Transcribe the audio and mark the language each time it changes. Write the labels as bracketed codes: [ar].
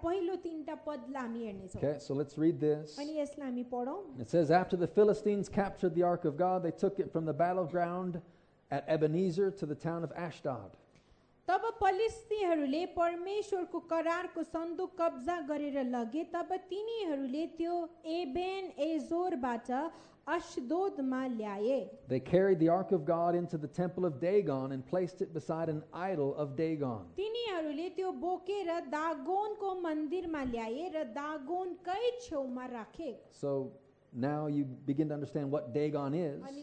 [en] Okay, so let's read this. It says, after the Philistines captured the Ark of God, they took it from the battleground at Ebenezer to the town of Ashdod. [ne] तब पलिस्तीहरूले परमेश्वरको करारको सन्दुक कब्जा गरेर लगे तब तिनीहरूले त्यो एबेन एजोरबाट अश्दोदमा ल्याए. [en] They carried the ark of God into the temple of Dagon and placed it beside an idol of Dagon. [ne] तिनीहरूले त्यो बोकेर दागोनको मन्दिरमा ल्याए र दागोनकै छेउमा राखे. [en] So now you begin to understand what Dagon is.